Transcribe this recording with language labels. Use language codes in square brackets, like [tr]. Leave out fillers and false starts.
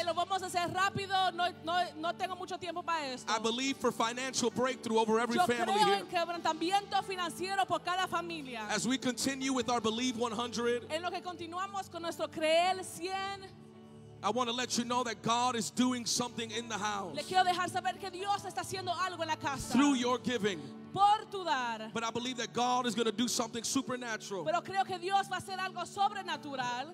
[es] Lo vamos a hacer rápido. No tengo mucho tiempo para esto. [en] I believe for financial breakthrough over every [es] Yo [en] family [es] creo [en] here. [es] En quebrantamiento financiero por cada familia. [en] As we continue with our Believe 100, [es] en lo que continuamos con nuestro Creer 100, [en] I want to let you know that God is doing something in the house. [es] Le quiero dejar saber que Dios está haciendo algo en la casa. [en] Through your giving. [es] Por tu dar. [en] But I believe that God is going to do something supernatural. [es] Pero creo que Dios va a hacer algo sobrenatural.